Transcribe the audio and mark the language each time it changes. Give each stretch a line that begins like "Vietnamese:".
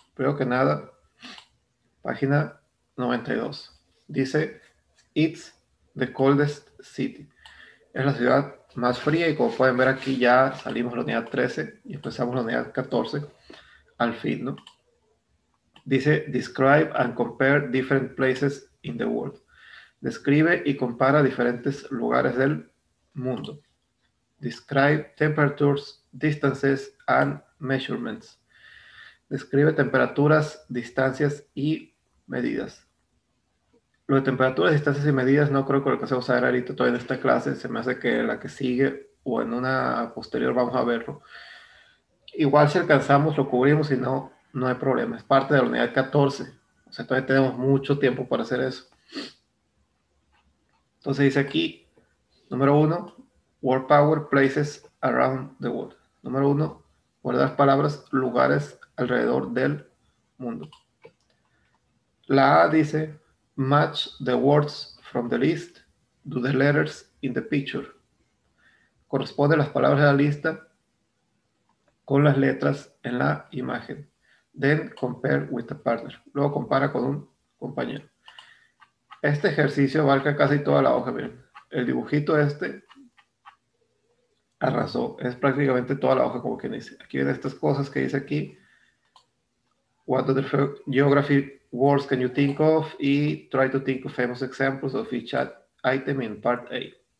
Spanish: Primero que nada, página 92.
English: Dice, it's the coldest city.
Spanish: Es la ciudad más fría y como pueden ver aquí ya salimos de la unidad 13 y empezamos la unidad 14 al fin, ¿no?
English: Dice, describe and compare different places in the world.
Spanish: Describe y compara diferentes lugares del mundo.
English: Describe temperatures, distances, and measurements.
Spanish: Describe temperaturas, distancias y medidas. Lo de temperaturas, distancias y medidas no creo que lo que se va a usar ahorita todavía en esta clase. Se me hace que la que sigue o en una posterior vamos a verlo. Igual si alcanzamos lo cubrimos y no, no hay problema. Es parte de la unidad 14. O sea, todavía tenemos mucho tiempo para hacer eso. Entonces dice aquí, número uno,
English: word power places around the world.
Spanish: Número uno, guardar palabras, lugares alrededor del mundo. La A dice,
English: match the words from the list to the letters in the picture.
Spanish: Corresponde las palabras de la lista con las letras en la imagen.
English: Then compare with a partner.
Spanish: Luego compara con un compañero. Este ejercicio abarca casi toda la hoja, miren. El dibujito este arrasó. Es prácticamente toda la hoja, como quien dice. Aquí ven estas cosas que dice aquí.
English: What are the geography words can you think of? Y try to think of famous examples of each item in part A.